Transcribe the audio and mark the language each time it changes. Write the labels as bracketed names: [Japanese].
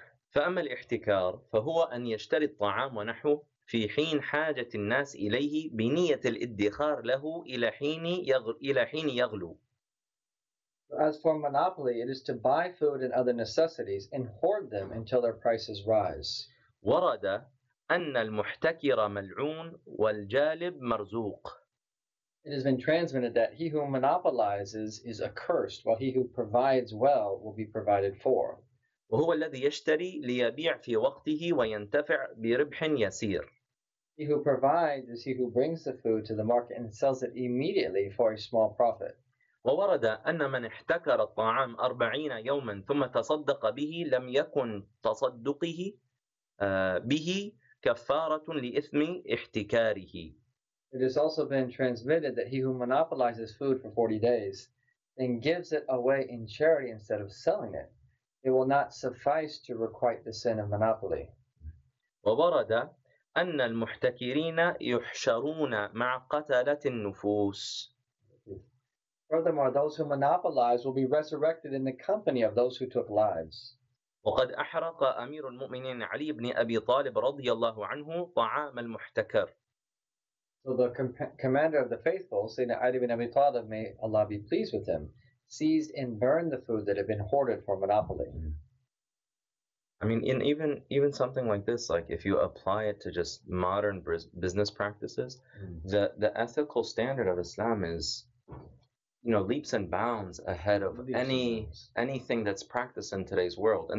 [Arabic] فأما الاحتكار فهو أن يشتري الطعام ونحوه في حين حاجة الناس إليه بنية الادخار له إلى حين يغلو. [English] As for monopoly, it is to buy food and other necessities and hoard them until their prices rise. [Arabic] ورد أن المحتكر ملعون والجالب مرزوق. [English] It has been transmitted that he who monopolizes is accursed, while he who provides well will be provided for. [Arabic] وهو الذي يشتري ليبيع في وقته وينتفع بربح يسير. [English] He who provides is he who brings the food to the market and sells it immediately for a small profit. [Arabic] وورد أن من احتكر الطعام 40 يوما ثم تصدق به لم يكن تصدقه به كفارة لإثم احتكاره. [English] It has also been transmitted that he who monopolizes food for 40 days and gives it away in charity instead of selling it, it will not suffice to requite the sin of monopoly. [Arabic] وورد أن المحتكرين يحشرون مع قتلة النفوس. [English] Furthermore, those who monopolize will be resurrected in the company of those who took lives. [Arabic] وقد أحرق أمير المؤمنين علي بن أبي طالب رضي الله عنه طعام المحتكر. [English] So the commander of the faithful, Sayyidina Ali ibn Abi Talib, may Allah be pleased with him, seized and burned the food that had been hoarded for monopoly. I mean, in even something like this, like if you apply it to just modern business practices, the ethical standard of Islam is, you know, leaps and bounds ahead of anything that's practiced in today's world.